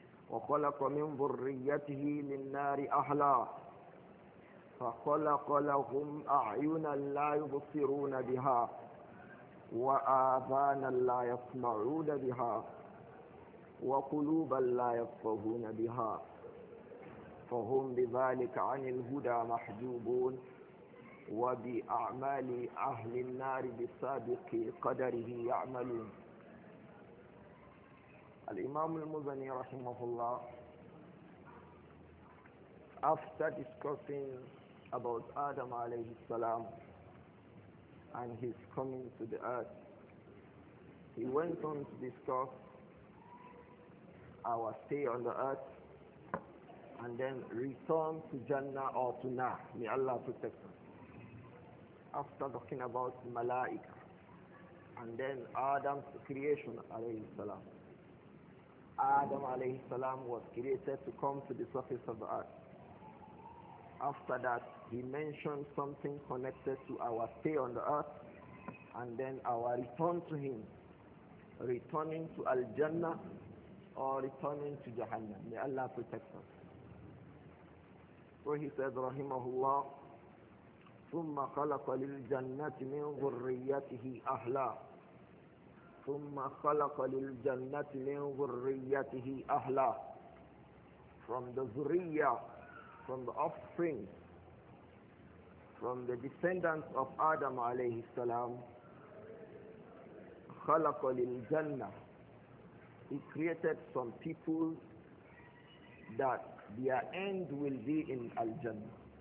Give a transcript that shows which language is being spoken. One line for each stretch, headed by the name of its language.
Arabic: وخلق من ذريته للنار أهلا فخلق لهم أعينا لا يبصرون بها وآذانا لا يسمعون بها وقلوبا لا يفقهون بها فهم بذلك عن الهدى محجوبون وبأعمال أهل النار بسابق قدره يعملون. الإمام المزني رحمه الله,
English: after discussing about Adam عليه السلام and his coming to the earth, he went on to discuss our stay on the earth and then return to Jannah or to Nah. May Allah protect us. After talking about Malaika and then Adam's creation alayhi salam, Adam alayhi salam was created to come to the surface of the earth. After that, he mentioned something connected to our stay on the earth and then our return to him, returning to Al-Jannah or returning to Jahannam. May Allah protect us. So he said, rahimahullah,
Arabic: ثم خلق للجنة من ذريته أهلا ثم خلق للجنة من ذريته أهلا.
English: From the Zuriya, from the offspring, from the descendants of Adam عليه السلام,
Arabic: خلق للجنة.
English: He created some people that their end will be in Al-Jannah.